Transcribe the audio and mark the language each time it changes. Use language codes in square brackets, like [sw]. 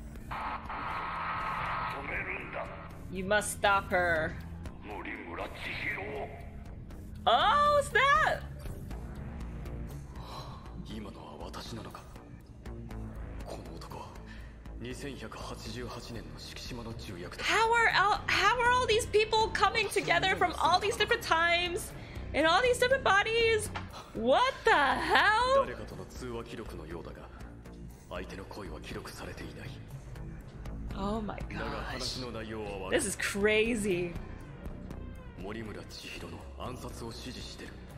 [ja] 止めるんだ。 [en] You must stop her. [ja] 森村千尋を。 [en] Oh, what's that? [ja] 今のは私なのか。この男は2188年の四季島の重役だ。 [en] How are all these people coming together from all these different times? In all these different bodies? What the hell? [ja] 誰かとの通話記録のようだが、相手の声は記録されていない。 [en] Oh my gosh. [ja] だが話の内容は、 [en] This is crazy. [ja] 森村千尋の暗殺を指示してる。